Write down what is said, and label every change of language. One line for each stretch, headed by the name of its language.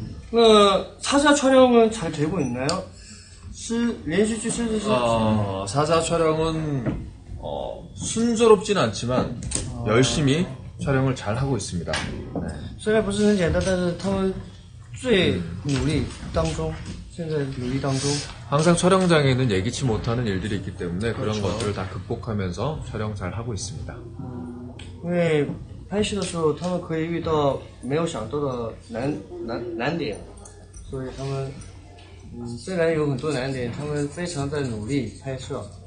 Korean: 그 사자 촬영은 잘 되고 있나요? 연주주 실수. 아 사자 촬영은 어 순조롭진 않지만 열심히 촬영을 잘 하고 있습니다.
Chinese: 虽然不是很简单，但是他们最努力当中。现在努力当中.
Korean: 항상 촬영장에는 예기치 못하는 일들이 있기 때문에 그런 그렇죠. 것들을 다 극복하면서 촬영 잘 하고 있습니다.
Chinese: 왜 拍摄的时候他们可以遇到没有想到的难点，所以他们虽然有很多难点，他们非常在努力拍摄。